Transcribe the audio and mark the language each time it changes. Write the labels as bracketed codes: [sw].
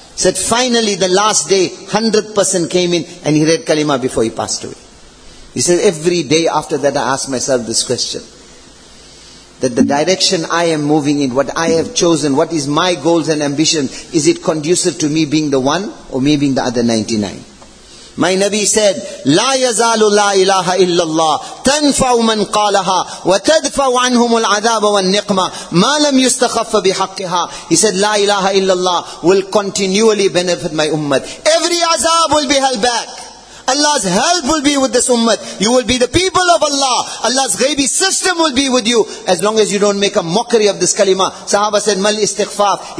[en] He said, finally, the last day, 100% came in and he read kalima before he passed away. He said, every day after that, I asked myself this question. That the direction I am moving in, what I have chosen, what is my goals and ambition, is it conducive to me being the one or me being the other 99? My Nabi said, [ar] لا يزال لا إله إلا الله تنفع من قالها وتدفع عنهم العذاب والنقمة ما لم يستخف بحقها. [en] He said, لا إله إلا الله will continually benefit my ummah. Every azab will be held back. Allah's help will be with this ummah. You will be the people of Allah. Allah's ghaibi system will be with you. As long as you don't make a mockery of this kalima. Sahaba said, Mal istighfaf.